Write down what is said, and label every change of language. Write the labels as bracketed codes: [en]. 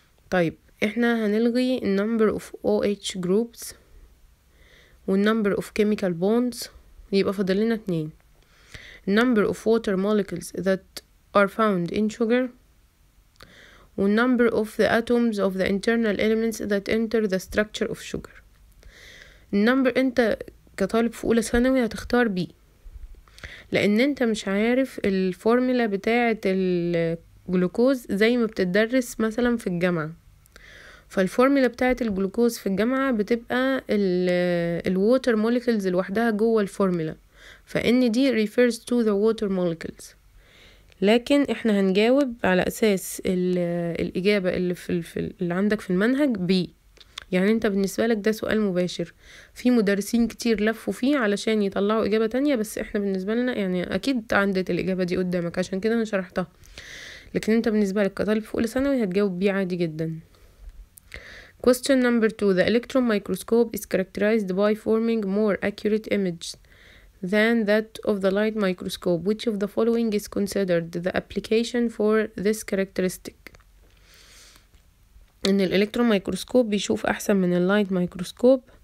[ar] طيب احنا هنلغي [en] number of OH groups [ar] وال [en] number of chemical bonds, [ar] يبقى فضلنا 2. [en] Number of water molecules that are found in sugar والnumber of the atoms of the internal elements that enter the structure of sugar. [ar] النمبر انت كطالب في اولى ثانوي هتختار بي لان انت مش عارف الفورمولا بتاعة الجلوكوز زي ما بتدرس مثلا في الجامعة. فالفورمولا بتاعة الجلوكوز في الجامعة بتبقى الووتر موليكلز لوحدها جوه الفورمولا, [en] فان دي refers to the water molecules. [ar] لكن احنا هنجاوب على اساس الاجابة اللي اللي عندك في المنهج بي, يعني انت بالنسبة لك ده سؤال مباشر. في مدرسين كتير لفوا فيه علشان يطلعوا اجابة تانية, بس احنا بالنسبة لنا يعني اكيد عندت الاجابة دي قدامك عشان كده انا شرحتها. لكن انت بالنسبة لك كطالب في اولى ثانوي هتجاوب بيه عادي جدا. [en] Question number 2. The electron microscope is characterized by forming more accurate images than that of the light microscope. Which of the following is considered the application for this characteristic? [ar] ان الالكترون مايكروسكوب بيشوف احسن من اللايت مايكروسكوب.